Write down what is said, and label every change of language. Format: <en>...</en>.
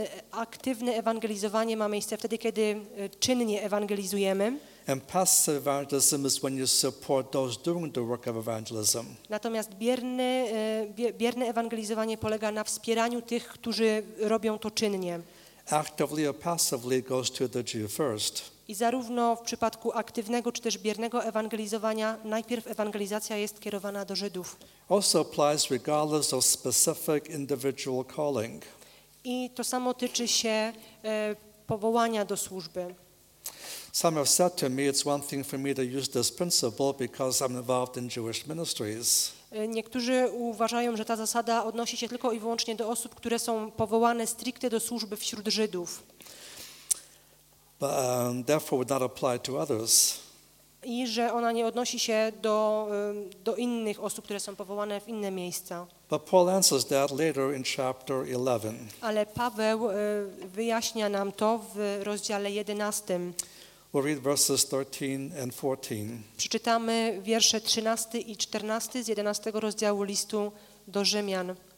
<pl>Aktywne ewangelizowanie ma miejsce wtedy, kiedy czynnie ewangelizujemy.</pl> <en>And passive evangelism is when you support those doing the work of evangelism.</en> <pl>Natomiast bierne ewangelizowanie polega na wspieraniu tych, którzy robią to czynnie.</pl> <en>Actively or passively goes to the Jew first.</en> <pl>I zarówno w przypadku aktywnego czy też biernego ewangelizowania najpierw ewangelizacja jest kierowana do Żydów.</pl> <en>Also applies regardless of specific individual calling.</en> <pl>I to samo tyczy się powołania do służby.</pl> <en>Some have said to me, it's one thing for me to use this principle because I'm involved in Jewish ministries.</en> <pl>Niektórzy uważają, że ta zasada odnosi się tylko i wyłącznie do osób, które są powołane stricte do służby wśród Żydów.</pl> <en>But, therefore would not apply to others.</en> <pl>I że ona nie odnosi się do innych osób, które są powołane w inne miejsca.</pl> <en>But Paul answers that later in chapter 11.</en> <pl>Ale Paweł wyjaśnia nam to w rozdziale 11.</pl> <en>We'll read verses 13 and 14.</en> <pl>Przeczytamy wiersze 13 i 14 z 11 rozdziału listu do Rzymian.</pl>